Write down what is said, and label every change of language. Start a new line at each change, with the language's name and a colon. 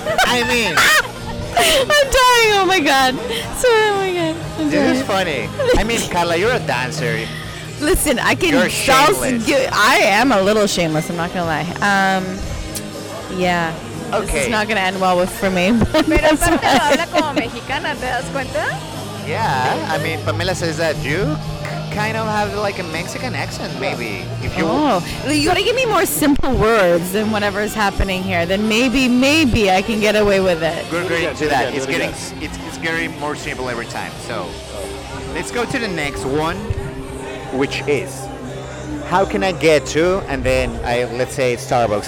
English: I mean. I'm dying. Oh, my God. Sorry. Oh, my God. This is funny. I mean, Carla, you're a dancer. Listen, I can. You're shameless. I am a little shameless. I'm not going to lie. Yeah. Okay. It's not going to end well for me.
Spanish: Pero aparte habla como mexicana, ¿te das cuenta?
English: Yeah. I mean, Pamela says that you kind of have like a Mexican accent, maybe. If you You got to give me more simple words than whatever is happening here. Then maybe I can get away with it. Good, great to that. It's getting more simple every time. So, let's go to the next one, which is, how can I get to, and then let's say Starbucks.